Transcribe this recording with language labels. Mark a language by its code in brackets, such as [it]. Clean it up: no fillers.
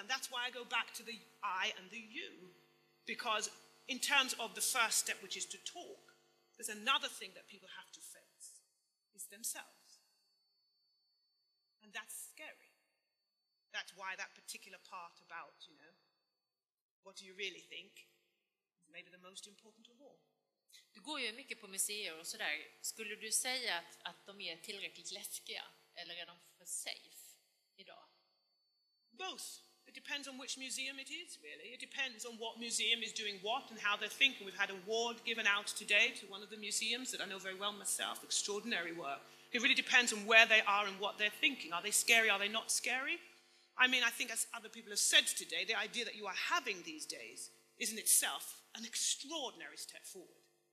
[en] And that's why I go back to the I and the you. Because in terms of the first step, which is to talk, there's another thing that people have to face, is themselves. And that's scary. That's why that particular part about, you know, what do you really think, is maybe the most important of all. [sv] Du går ju mycket på museer och sådär. Skulle du säga att de är tillräckligt läskiga, eller är de för safe idag? [en] Both. It depends on which museum it is, really. It depends on what museum is doing what and how they're thinking. We've had an award given out today to one of the museums that I know very well myself, extraordinary work. It really depends on where they are and what they're thinking. Are they scary? Are they not scary? I mean, I think as other people have said today, the idea that you are having these days is in itself an extraordinary step forward.